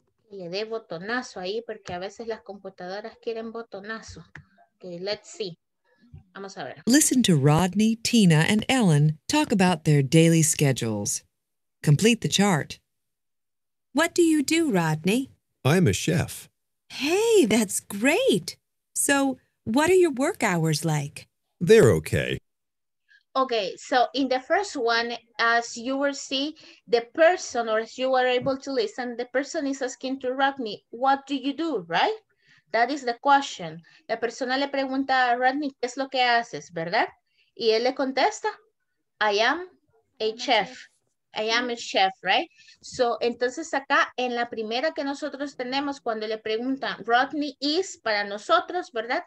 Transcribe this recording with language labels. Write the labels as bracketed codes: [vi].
[es] Le dé botonazo ahí porque a veces las computadoras quieren botonazo. [en] Okay, let's see. [es] Vamos a ver. [en] Listen to Rodney, Tina, and Ellen talk about their daily schedules. Complete the chart. What do you do, Rodney? I'm a chef. Hey, that's great. So, what are your work hours like? They're okay. Okay, so in the first one, as you will see, the person, or as you were able to listen, the person is asking to Rodney, what do you do, right? That is the question. [es] La persona le pregunta a Rodney, ¿qué es lo que haces, verdad? Y él le contesta, [en] I am a chef. I am a chef, right? So, [es] entonces acá, en la primera que nosotros tenemos, cuando le preguntan, Rodney is para nosotros, ¿verdad?